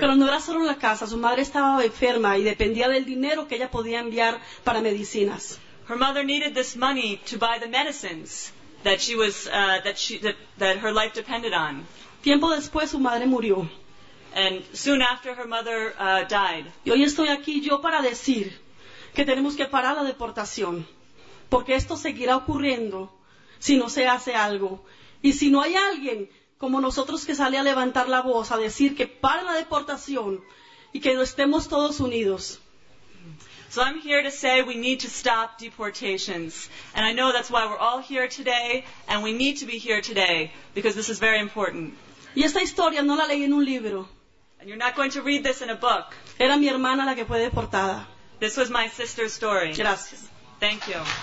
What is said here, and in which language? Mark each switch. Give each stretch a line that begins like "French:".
Spanish: Pero no era solo la casa, su madre estaba enferma y dependía del dinero que ella podía enviar para medicinas.
English: Her mother needed this money to buy the medicines that she was that her life depended on.
Spanish: Tiempo después su madre murió.
English: And soon after her mother died.
Spanish: Y hoy estoy aquí yo para decir que tenemos que parar la deportación, porque esto seguirá ocurriendo si no se hace algo. Y si no hay alguien como nosotros que sale a levantar la voz, a decir que pare la deportación y que no estemos todos unidos.
English: So I'm here to say we need to stop deportations. And I know that's why we're all here today, and we need to be here today, because this is very important.
Spanish: Y esta historia no la leí en un libro.
English: And you're not going to read this in a book.
Spanish: Era mi hermana la que fue deportada.
English: This was my sister's story.
Spanish: Gracias.
English: Thank you.